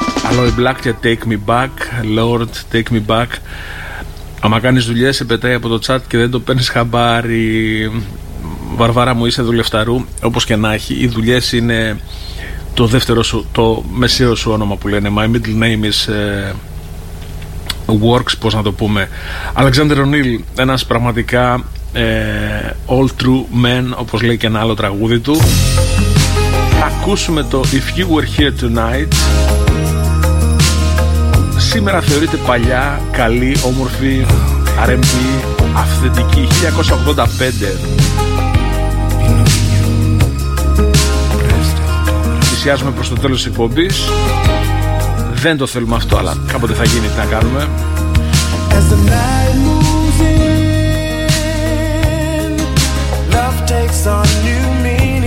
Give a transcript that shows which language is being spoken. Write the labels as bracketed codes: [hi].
[el] Aloe Black και Take Me Back, Lord, Take Me Back. Άμα κάνεις δουλειές σε πετάει από το chat και δεν το παίρνεις χαμπάρι. Βαρβάρα μου, είσαι δουλευταρού, όπως και να έχει. Οι δουλειές είναι το δεύτερο σου, το μεσαίο σου όνομα που λένε. [en] My middle name is Works, [el] πώς να το πούμε. Alexander O'Neill, ένας πραγματικά [en] all true man, [el] όπως λέει και ένα άλλο τραγούδι του. Θα ακούσουμε το If You Were Here Tonight. Σήμερα θεωρείται παλιά, καλή, όμορφη, R&B, αυθεντική, 1985. Θυσιάζουμε προς το τέλος της εκπομπής. Δεν το θέλουμε αυτό, αλλά κάποτε θα γίνει, τι να κάνουμε. [en] As the night moves in, love takes on new meaning.